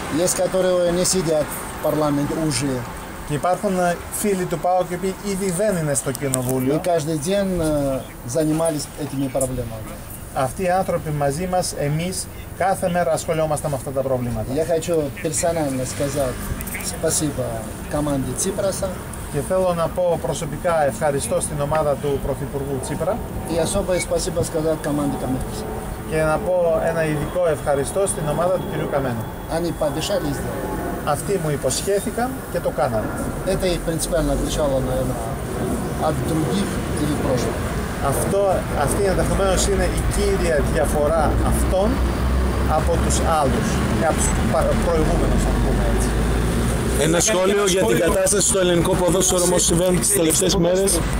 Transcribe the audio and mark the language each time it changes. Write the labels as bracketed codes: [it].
[ru] Есть, которые не сидят в парламенте уже. [el] Και υπάρχουν φίλοι του ΠΑΟΚ που ήδη δεν είναι στο κοινοβούλιο. [ru] Каждый день занимались этими проблемами. [el] Αυτοί οι άνθρωποι μαζί μας, εμείς κάθε μέρα ασχολιόμαστε με αυτά τα προβλήματα. [ru] Я хочу персонально сказать спасибо команде Ципраса. [el] Και θέλω να πω προσωπικά ευχαριστώ στην ομάδα του Πρωθυπουργού Τσίπρα. [ru] И особое спасибо сказать команде Каменос. [el] Και να πω ένα ειδικό ευχαριστώ στην ομάδα του κυρίου Καμένου. [ru] Они пообещались сделать. [el] Αυτοί μου υποσχέθηκαν και το κάναν. [ru] Это их принципиально отличало, наверное, от других или прошлых. [el] Αυτή ενδεχομένως είναι η κύρια διαφορά αυτών από τους άλλους και από τους προηγούμενους, αν πούμε έτσι. Ένα σχόλιο για την κατάσταση στο ελληνικό ποδόσφαιρο όμως συμβαίνει τις τελευταίες μέρες.